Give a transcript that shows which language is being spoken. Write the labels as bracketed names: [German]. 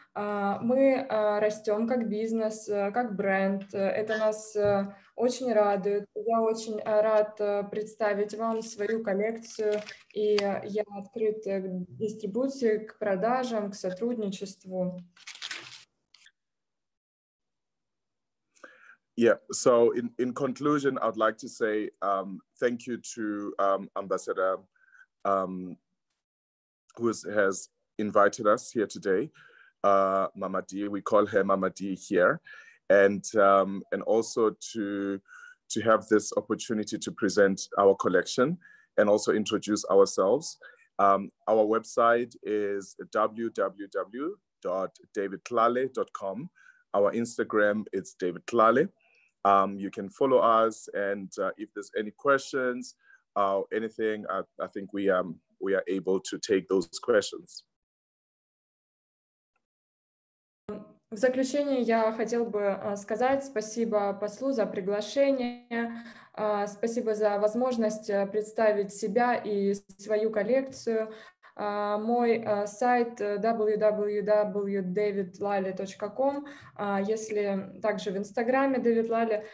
[Russian] Мы растем как бизнес, как бренд. Это нас очень радует. Я очень рад представить вам свою коллекцию, и я открыт к дистрибуции, к продажам, к сотрудничеству. [English] Yeah, so in conclusion, I'd like to say thank you to Ambassador who has invited us here today, Mama D. We call her Mama D here, and also to have this opportunity to present our collection and also introduce ourselves. Our website is www.davidtlale.com. Our Instagram is davidtlale. You can follow us, and if there's any questions or anything, I think we are able to take those questions. [Russian] В заключение я хотел бы сказать спасибо послу за приглашение, спасибо за возможность представить себя и свою коллекцию. Мой сайт www.davidlale.com, если также в Инстаграме David Lale.